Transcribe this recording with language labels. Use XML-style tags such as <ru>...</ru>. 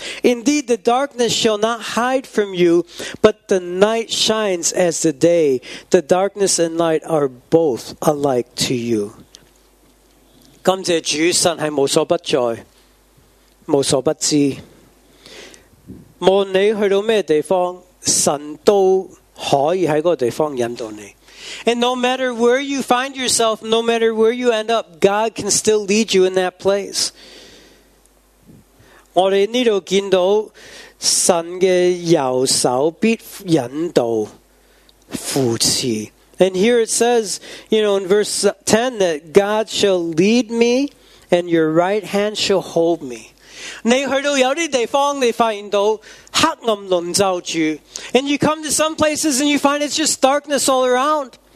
<en>Indeed, the darkness shall not hide from you, but the night shines as the day. The darkness and light are both alike to you.</en> <zh>感谢主,神是无所不在,无所不知。无论你去到什么地方,神都可以在那个地方引导你。</zh> <en>And no matter where you find yourself, no matter where you end up, God can still lead you in that place.</en> <zh>我们这里看到神的右手必引导扶持。</zh> <en>And here it says, you know, in verse 10, that God shall lead me and your right hand shall hold me.</en> <zh>你去到有些地方,你发现到黑暗笼罩住,</zh> <en>and you come to some places and you find it's just darkness all around.</en>